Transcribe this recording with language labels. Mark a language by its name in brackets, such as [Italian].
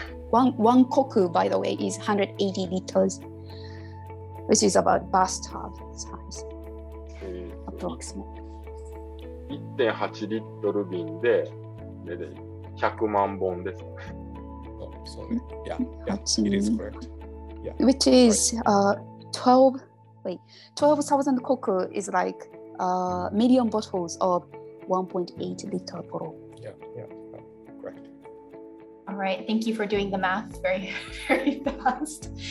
[English] One koku, by the way, is 180 liters, which is about bathtub size, approximately. [Japanese] 1.8 リットル瓶で100万本です。 [English] So, yeah, it is correct. Yeah. Which is 12,000 koku is like million bottles of 1.8 liter bottle. Yeah, correct. All right, thank you for doing the math very, very fast.